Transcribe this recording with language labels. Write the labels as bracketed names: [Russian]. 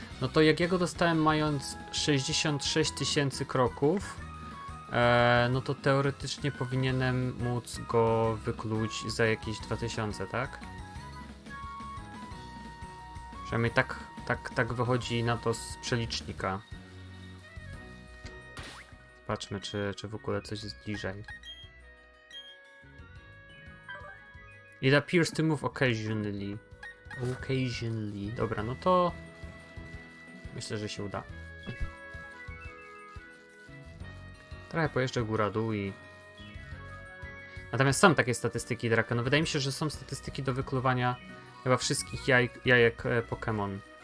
[Polish] No to jak ja go dostałem mając 66 tysięcy kroków, no to teoretycznie powinienem móc go wykluć za jakieś 2000, tak? Przynajmniej tak wychodzi na to z przelicznika. Patrzmy, czy w ogóle coś jest bliżej. [English] It appears to move occasionally. Occasionally. [Polish] Dobra, no to myślę, że się uda. Trochę pojeżdżę góra-dół i... Natomiast są takie statystyki draka. No wydaje mi się, że są statystyki do wykluwania chyba wszystkich jajek Pokémon.